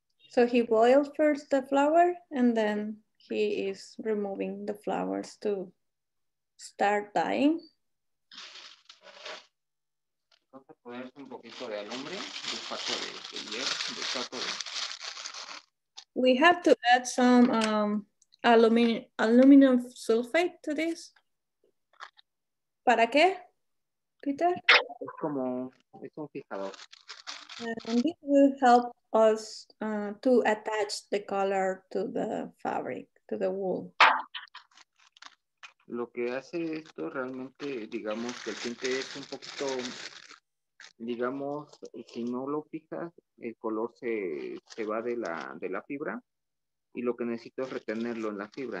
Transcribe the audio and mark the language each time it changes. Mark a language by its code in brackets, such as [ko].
[en] So he boils first the flower and then he is removing the flowers to start dying. [es] Vamos a poner un poquito de alumbre, un poco de hierro, de cátodo. [en] We have to add some aluminum sulfate to this. [es] ¿Para qué, Peter? Es como es un fijador. [en] And this will help us to attach the color to the fabric, to the wool. [es] Lo que hace esto realmente, digamos, que el tinte es un poquito, digamos, si no lo fijas, el color se va de la fibra, y lo que necesito es retenerlo en la fibra.